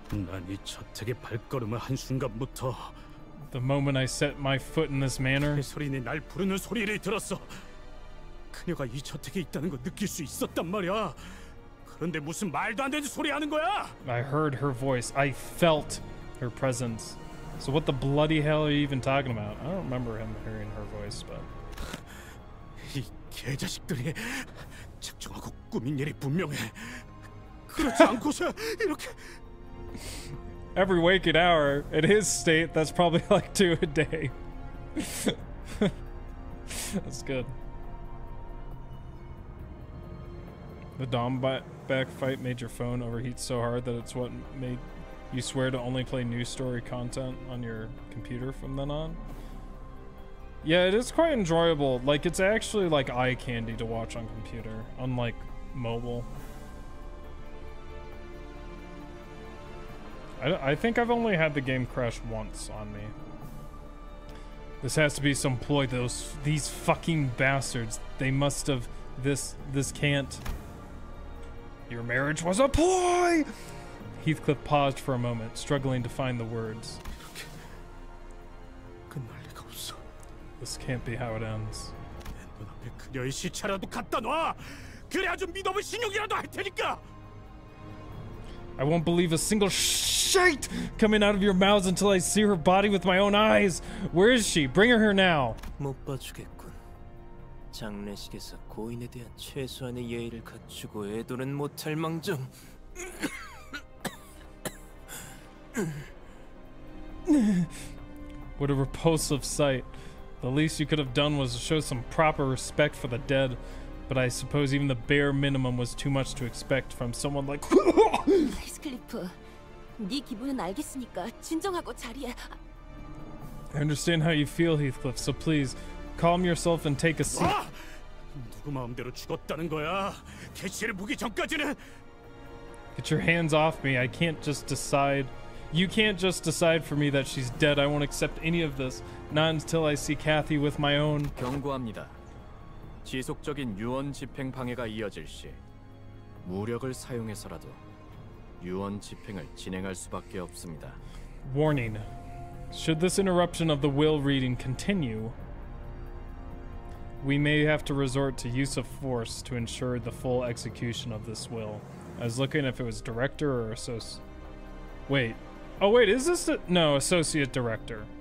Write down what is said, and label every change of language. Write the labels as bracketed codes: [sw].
[ko] 난 이 저택의 발걸음을 한 순간부터 [en] The moment I set my foot in this manor, [ko] 개소리니 날 부르는 소리를 들었어. 그녀가 이 저택에 있다는 걸 느낄 수 있었단 말이야. 그런데 무슨 말도 안 되는 소리 하는 거야? [en] I heard her voice. I felt her presence. So what the bloody hell are you even talking about? I don't remember him hearing her voice, but... [ko] 이 개자식들이 작정하고 꾸민 일이 분명해. 그렇지 않고서 이렇게... [en] Every waking hour, in his state, that's probably like two a day. That's good. The Dombak fight made your phone overheat so hard that it's what made... You swear to only play news story content on your computer from then on? Yeah, it is quite enjoyable. Like, it's actually like eye candy to watch on computer, unlike mobile. I think I've only had the game crash once on me. This has to be some ploy. These fucking bastards. They must have... This can't... Your marriage was a ploy! Heathcliff paused for a moment, struggling to find the words. This can't be how it ends. [ko] 눈앞에 그녀의 시체라도 갖다 놔. 그래야 좀 믿어볼 신용이라도 할 테니까. [en] I won't believe a single shite coming out of your mouths until I see her body with my own eyes. Where is she? Bring her here now. [ko] 못 봐주겠군. 장례식에서 고인에 대한 최소한의 예의를 갖추고 애도는 못할 망정. [en] 음. What a repulsive sight. The least you could have done was show some proper respect for the dead. But I suppose even the bare minimum was too much to expect from someone like- I understand how you feel, Heathcliff, so please, calm yourself and take a seat. 누구 마음대로 죽었다는 거야? 개체를 보기 전까지는! Get your hands off me, I can't just decide. You can't just decide for me that she's dead. I won't accept any of this. Not until I see Kathy with my own- [ko] 경고합니다. 지속적인 유언 집행 방해가 이어질 시 무력을 사용해서라도 유언 집행을 진행할 수밖에 없습니다. [en] Warning. Should this interruption of the will reading continue, we may have to resort to use of force to ensure the full execution of this will. I was looking if it was director or associate. Wait. Oh wait, is this a- no, associate director.